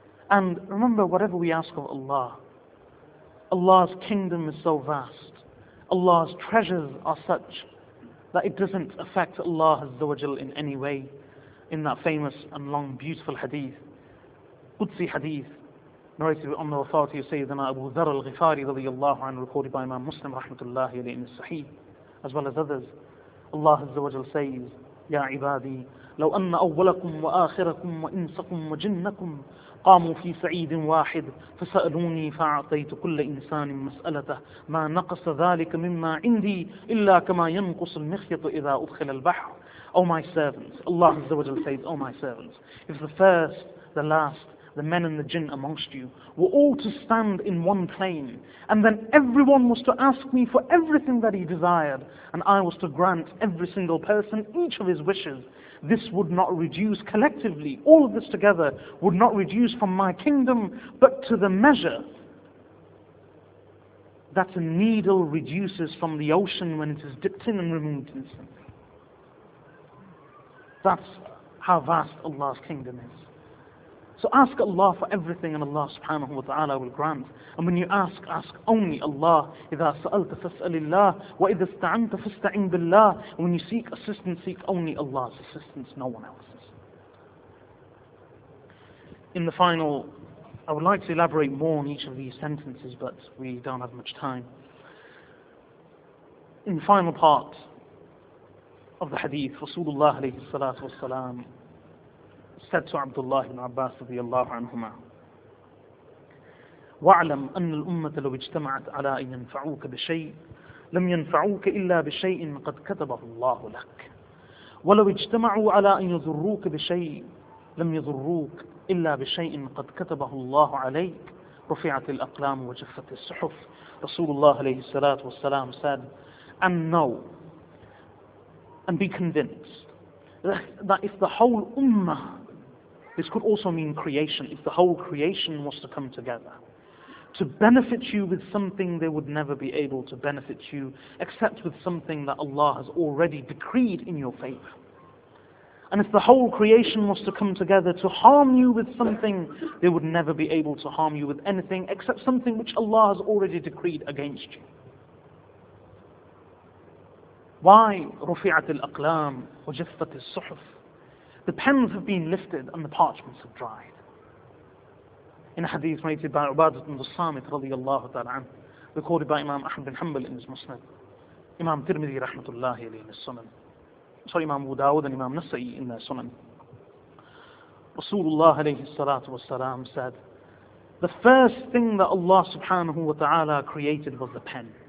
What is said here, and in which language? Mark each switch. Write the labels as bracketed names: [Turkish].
[English] And remember, whatever we ask of Allah, Allah's kingdom is so vast, Allah's treasures are such that it doesn't affect Allah Azza wa Jal in any way. In that famous and long beautiful hadith, Qudsi hadith, narrated on the authority of Sayyidina Abu Dharr al-Ghifari radiallahu anhu, recorded by Imam Muslim rahmatullahi alayhi in his Sahih, as well as others, Allah Azza wa Jal says, [Arabic] Ya ibadi, لو أن أولكم وآخركم وإنسكم وجنكم قاموا في سعيد واحد فسألوني فأعطيت كل إنسان مسألته ما نقص ذلك مما عندي إلا كما ينقص المخيط إذا أدخل البحر. [English] Oh my servants, Allah Azza wa Jalla says, Oh my servants, if the first, the last, the men and the jinn amongst you were all to stand in one plane, and then everyone was to ask me for everything that he desired, and I was to grant every single person each of his wishes, this would not reduce collectively, all of this together would not reduce from my kingdom, but to the measure that a needle reduces from the ocean when it is dipped in and removed in sand. That's how vast Allah's kingdom is. So ask Allah for everything and Allah subhanahu wa ta'ala will grant. And when you ask, ask only Allah. [Arabic] إِذَا سَأَلْتَ فَاسْأَلِ اللَّهِ وَإِذَا اسْتَعَنْتَ فَاسْتَعِنْ بِاللَّهِ. [English] When you seek assistance, seek only Allah's assistance, no one else's. In the final, I would like to elaborate more on each of these sentences, but we don't have much time. In the final part of the hadith, Rasulullah alayhi salatu wa salam said to Abdullah ibn Abbas [Arabic] رضي الله عنهما وَاعْلَمْ أَنَّ الْأُمَّةَ لَوْ اجْتَمَعَتْ عَلَىٰ أَنْ يَنْفَعُوكَ بِشَيْءٍ لَمْ يَنْفَعُوكَ إِلَّا بِشَيْءٍ قَدْ كَتَبَهُ اللَّهُ لَكَ وَلَوْ اجْتَمَعُوا عَلَىٰ أَنْ يَضُرُّوكَ بِشَيْءٍ لَمْ يَضُرُّوكَ إِلَّا بِشَيْءٍ قَدْ كَتَبَهُ اللَّهُ عَلَيْكَ رُفِعَتِ الْأَقْلَامُ وَجَفَّتِ الصُّحُفُ. [English] Rasulullah عليه الصلاة والسلام said, and know and be convinced that if the whole ummah, this could also mean creation, if the whole creation was to come together to benefit you with something they would never be able to benefit you except with something that Allah has already decreed in your favor. And if the whole creation was to come together to harm you with something, they would never be able to harm you with anything except something which Allah has already decreed against you. Why [Arabic] رُفِعَتِ الْأَقْلَامِ وَجَفَّتِ الصُّحُفِ. [English] The pens have been lifted and the parchments have dried. In a hadith narrated by Ubadah ibn Samit radiyallahu ta'ala anhu, recorded by Imam Ahmad bin Hanbal in his Musnad, Imam Tirmidhi rahmatullahi alayhi in his Sunan, sorry, Imam Abu Dawud and Imam Nasa'i in their Sunan, Rasulullah alayhi salatu wa salam said, the first thing that Allah subhanahu wa ta'ala created was the pen.